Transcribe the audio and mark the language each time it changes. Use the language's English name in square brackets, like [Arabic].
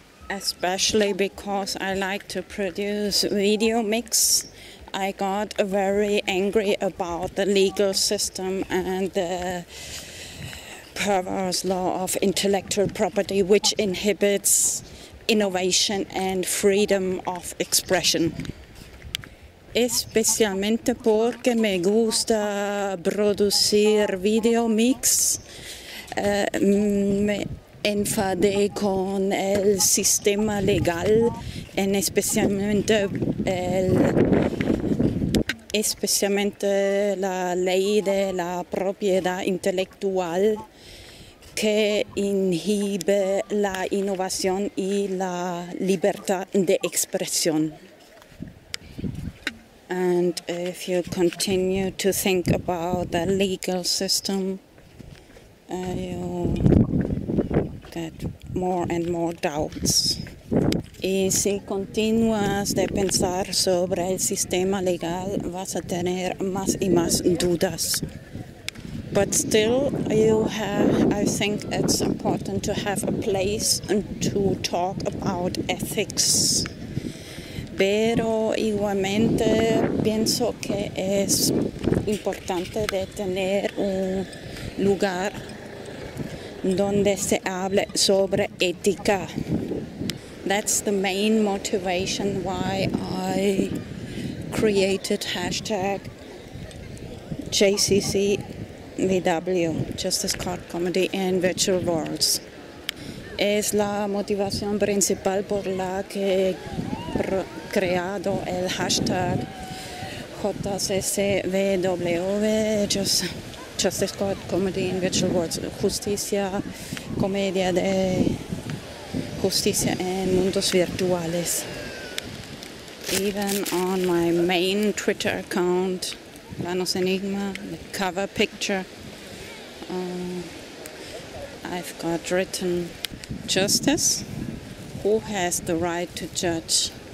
[English] Especially because I like to produce VideoMix, I got very angry about the legal system and the perverse law of intellectual property, which inhibits innovation and freedom of expression. [Spanish] Especialmente porque me gusta producir VideoMix, me enfadé con el sistema legal, en especialmente la ley de la propiedad intelectual que inhibe la innovación y la libertad de expresión. [English] And if you continue to think about the legal system, you get more and more doubts. [Spanish] Y si continúas de pensar sobre el sistema legal, vas a tener más y más dudas. [English] But still, I think it's important to have a place to talk about ethics. [Spanish] Pero igualmente pienso que es importante de tener un lugar donde se hable sobre ética. [English] That's the main motivation why I created hashtag JCCVW, Justice Card Comedy in Virtual Worlds. [Spanish] Es la motivación principal por la que creado el hashtag JCCVW, Justice Court Comedy in Virtual Worlds, Justicia, Comedia de Justicia en Mundos Virtuales. [English] Even on my main Twitter account, Planos Enigma, the cover picture, I've got written Justice, who has the right to judge?